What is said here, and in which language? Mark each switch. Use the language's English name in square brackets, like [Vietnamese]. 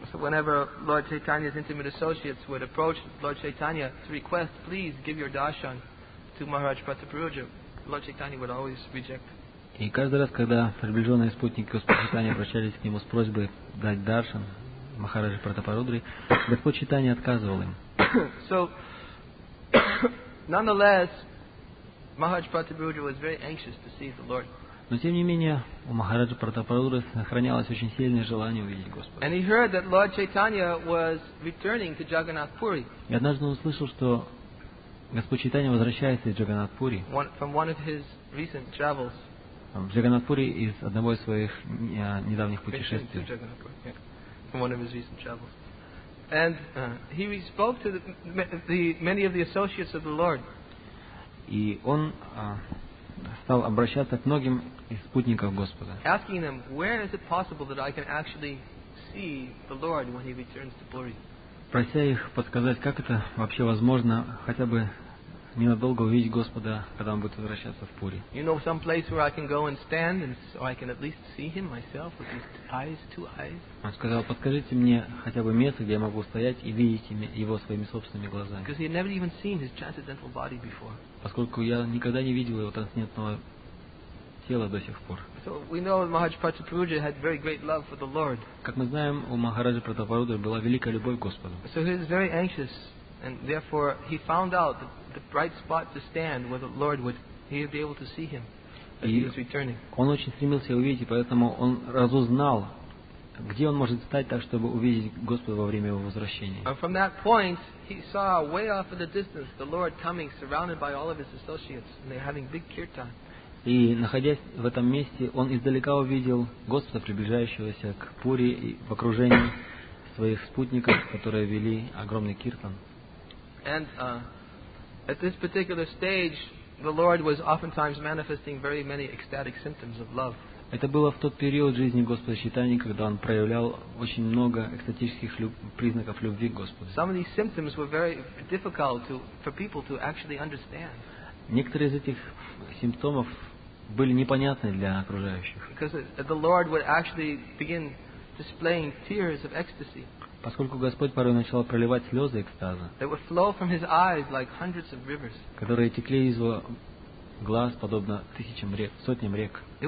[English] So whenever Lord Chaitanya's intimate associates would approach Lord Chaitanya to request, please give your darshan to Maharaj Pratapurudra, Lord Chaitanya would always reject. [Russian] И каждый раз, когда приближенные спутники Господа Чайтанья обращались к нему с просьбой дать даршан Махараджи Пратапарудре, Господь Чайтанья отказывал им. [English] So, nonetheless, Maharaj Pratapurudra was very anxious to see the Lord. [Russian] Но тем не менее у Махараджи Пратапарудры сохранялось очень сильное желание увидеть Господа. [English] And he heard that Lord Chaitanya was returning to Jagannath Puri. [Russian] И однажды он услышал, что Господь Чайтанья возвращается из Джагнат Пури. [English] From one of his recent travels. [Russian] В Джагнат Пури из одного из своих недавних путешествий. [English] From one of his recent travels. And he spoke to the many of the associates of the Lord. [Russian] И он стал обращаться к многим из спутников Господа. [English] Asking them, where is it possible that I can actually see the Lord when he returns to Puri? [Russian] Прося их подсказать, как это вообще возможно, хотя бы ненадолго увидеть Господа, когда он будет возвращаться в Пури. [English] You know some place where I can go and stand, and so I can at least see him myself with these eyes, two eyes. [Russian] Он сказал, подскажите мне хотя бы место, где я могу стоять и видеть его своими собственными глазами. [English] Because he had never even seen his transcendental body before. [Russian] Поскольку я никогда не видел его трансцендентного тела до сих пор. [English] So we know Maharaj Pratapurudra had very great love for the Lord. [Russian] Как мы знаем, у Махараджи Пратапарудры была великая любовь к Господу. [English] So he was very anxious, and therefore he found out that the bright spot to stand where the Lord would he'd be able to see him as he was returning. [Russian] Он очень стремился увидеть, поэтому он разузнал, где он может стать так, чтобы увидеть Господа во время его возвращения. [English] And from that point, he saw way off in the distance the Lord coming, surrounded by all of his associates, and they're having big kirtan. [Russian] И находясь в этом месте, он издалека увидел Господа, приближающегося к Пури, и в окружении своих спутников, которые вели огромный киртан. [English] And at this particular stage, the Lord was oftentimes manifesting very many ecstatic symptoms of love. [Russian] Это было в тот период жизни Господа Чайтаньи, когда он проявлял очень много экстатических признаков любви к Господу. [English] Some of these symptoms were very difficult for people to actually understand. [Russian] Некоторые из этих симптомов были непонятны для окружающих. [English] Because the Lord would actually begin displaying tears of ecstasy. [Russian] Поскольку Господь порой начал проливать слезы экстаза, которые текли из его глаз, подобно тысячам рек, сотням рек.